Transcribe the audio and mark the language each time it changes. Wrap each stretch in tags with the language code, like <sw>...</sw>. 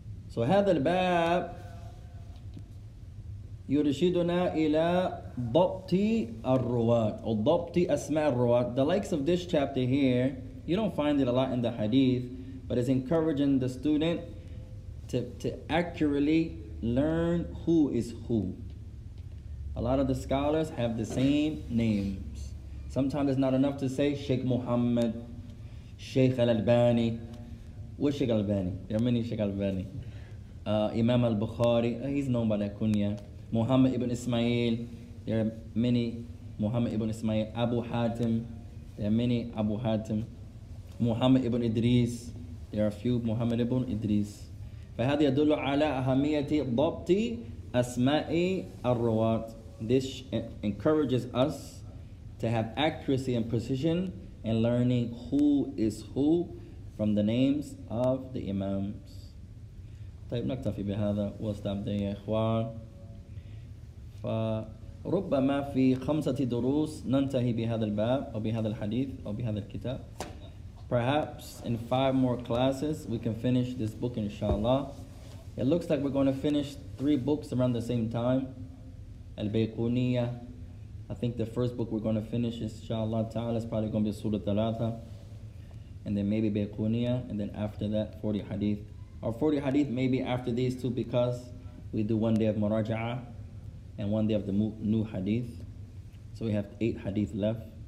<ar>So هذا الباب يرشدنا إلى ضبط الرواة أو ضبط أسماء الرواة.</ar> <en>The likes of this chapter here, you don't find it a lot in the hadith, but it's encouraging the student to accurately learn who is who. A lot of the scholars have the same names. Sometimes it's not enough to say Sheikh Muhammad, Sheikh Al-Albani. What's Sheikh Al-Albani? There are many Sheikh Al-Albani. Imam al-Bukhari, he's known by that kunya. Muhammad ibn Ismail, there are many Muhammad ibn Ismail, Abu Hatim, there are many Abu Hatim, Muhammad ibn Idris, there are a few Muhammad ibn Idris.</en> <ar>فهذا يدل على أهمية ضبط أسماء الرواة.</ar> <en>This encourages us to have accuracy and precision in learning who is who from the names of the Imams.</en> <ar>طيب نكتفي بهذا واستمتعي يا إخوان. فربما في خمسة دروس ننتهي بهذا الباب أو بهذا الحديث أو بهذا الكتاب.</ar> <en>Perhaps in 5 more classes we can finish this book inshallah. It looks like we're going to finish 3 books around the same time. Al-Bayquniyyah, I think the first book we're going to finish inshallah ta'ala is probably going to be Surah Talatha, and then maybe Bayquniyyah, and then after that 40 hadith, or 40 hadith maybe after these two, because we do one day of Muraja'ah and one day of the new hadith, so we have 8 hadith left.</en>